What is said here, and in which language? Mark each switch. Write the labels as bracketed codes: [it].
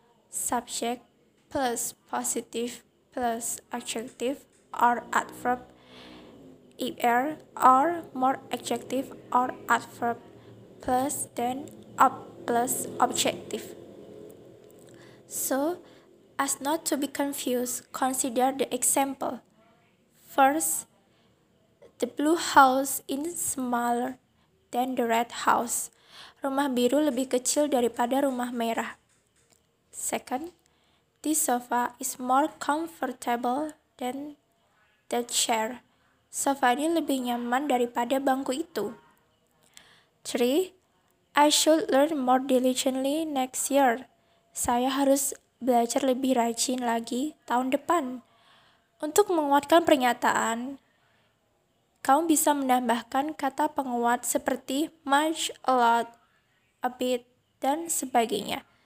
[en] Subject plus positive plus adjective or adverb er or more adjective or adverb plus then up plus objective. So, as not to be confused, consider the example. First, the blue house is smaller than the red house. [id] Rumah biru lebih kecil daripada rumah merah. [en] Second, this sofa is more comfortable than that chair. [id] Sofa ini lebih nyaman daripada bangku itu. [en] 3. I should learn more diligently next year. [id] Saya harus belajar lebih rajin lagi tahun depan. Untuk menguatkan pernyataan, kamu bisa menambahkan kata penguat seperti [en] much, a lot, a bit, [id] dan sebagainya.